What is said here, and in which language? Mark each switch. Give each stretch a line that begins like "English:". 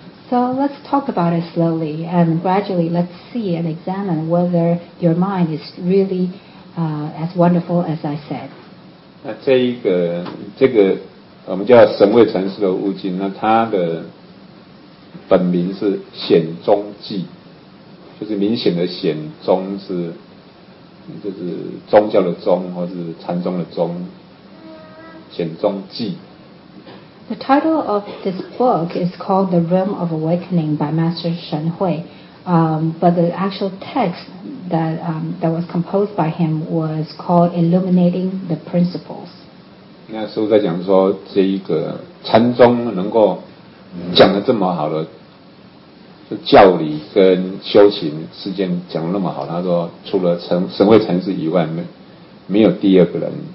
English: So let's talk about it slowly and gradually. Let's see and examine whether your mind is really as wonderful as I said.
Chinese: 那这个我们叫神位禅师的悟经，那它的本名是显宗记，就是明显的显宗是。就是宗教的宗，或是禅宗的宗，显宗记。
English: The title of this book is called The Realm of Awakening by Master Shen Hui, but the actual text that was composed by him was called Illuminating the Principles.
Chinese: 那师父在讲说，这一个禅宗能够讲得这么好的。教理跟修行之间讲得那么好，他说除了神慧禅师以外，没有第二个人。